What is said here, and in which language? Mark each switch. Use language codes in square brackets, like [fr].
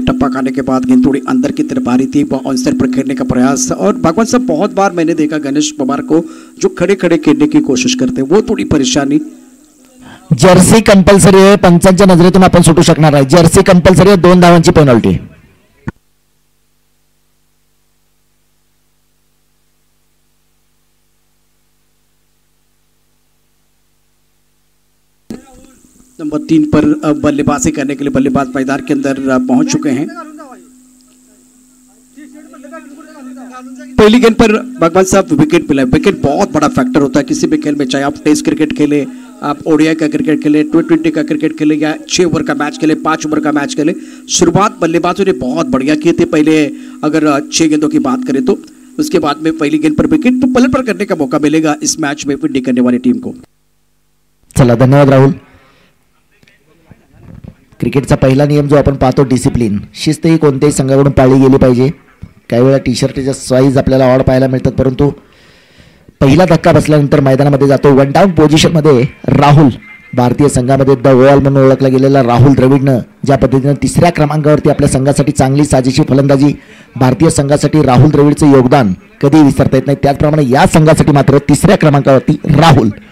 [hi] टप्पा खाने के बाद गेंद थोड़ी अंदर की तरफ आ रही थी, ऑन साइड पर खेलने का प्रयास. और भगवान साहब बहुत बार मैंने देखा गणेश पवार को जो खड़े खड़े खेलने की कोशिश करते हैं वो थोड़ी परेशानी. [mr] जर्सी कंपल्सरी आहे, पंचांच्या नजरेतून आपण सुटू शकणार आहे. जर्सी कंपल्सरी आहे, दोन धावांची पेनल्टी. [hi] नंबर तीन पर बल्लेबाजी करने के लिए बल्लेबाज मैदान के अंदर पहुंच चुके हैं. पहली गेंद पर भगवान साहब विकेट मिला. विकेट बहुत बड़ा फैक्टर होता है किसी भी खेल में, चाहे आप टेस्ट क्रिकेट खेले, आप ओडीआई का क्रिकेट खेले, टी ट्वेंटी का क्रिकेट खेले, या छह ओवर का मैच खेले, पांच ओवर का मैच खेले. शुरुआत बल्लेबाजों ने बहुत बढ़िया किए थे. पहले अगर छह गेंदों की बात करें तो उसके बाद में पहली गेंद पर विकेट, तो पलट पर करने का मौका मिलेगा इस मैच में फील्डिंग करने वाली टीम को. [mr] चला धन्यवाद राहुल. क्रिकेटचा पहिला नियम जो आपण पाहतो डिसिप्लिन, शिस्त ही कोणत्याही संघाकडून पाळली गेली पाहिजे. काही वेळा टी शर्टच्या साईज आपल्याला ऑड पाहायला मिळतात, परंतु पहिला धक्का बसल्यानंतर मैदानामध्ये जातो. वन डाऊन पोझिशनमध्ये राहुल, भारतीय संघामध्ये द वॉल म्हणून ओळखला गेलेला राहुल द्रविडनं ज्या पद्धतीनं तिसऱ्या क्रमांकावरती आपल्या संघासाठी चांगली साजेशी फलंदाजी, भारतीय संघासाठी राहुल द्रविडचं योगदान कधी विसरता येत नाही, त्याचप्रमाणे या संघासाठी मात्र तिसऱ्या क्रमांकावरती राहुल.